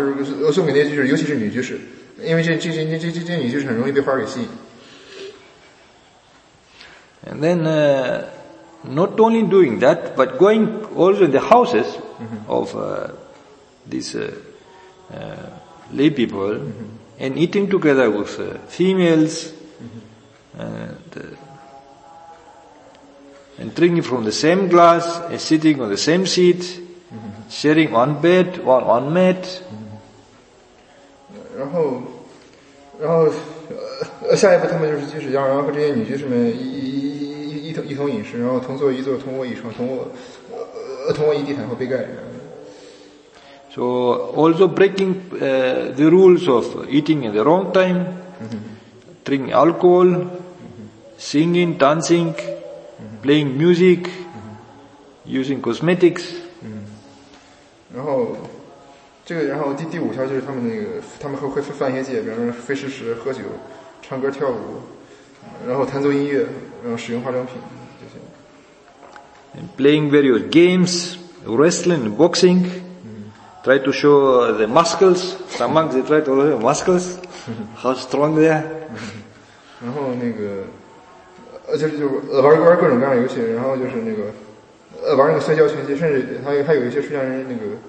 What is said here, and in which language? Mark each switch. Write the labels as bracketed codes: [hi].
[zh] 他说他们第二步就是送花，就是送给那些就是尤其是女居士。因为这女就是很容易被花给吸引。 [en] And then, not only doing that, but going also in the houses of these lay people and eating together with females and drinking from the same glass and sitting on the same seat, sharing one bed, one mat. [zh] 然后下一步他们就是居士，然后和这些女居士们一同饮食，然后同坐一坐，同卧一床，同卧一地毯或被盖。 [en] So also breaking the rules of eating at the wrong time, drinking alcohol, singing, dancing, playing music, using cosmetics. [zh] 然后。这个，然后第五条就是他们那个，他们会犯一些戒，比如非食时喝酒、唱歌跳舞，然后弹奏音乐，然后使用化妆品这些。 [en] And playing various games, wrestling, boxing, try to show the muscles. Some monks they try to show muscles, how strong they are. [zh] 然后那个，就是玩各种各样的游戏，然后就是那个，玩那个摔跤拳击，甚至还有一些出家人那个。